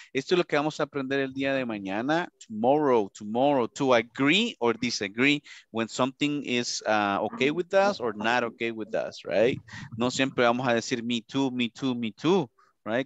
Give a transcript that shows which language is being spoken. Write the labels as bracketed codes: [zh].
[es] Esto es lo que vamos a aprender el día de mañana. [en] Tomorrow. To agree or disagree when something is okay with us or not okay with us, right? [es] No siempre vamos a decir [en] me too, [es] right?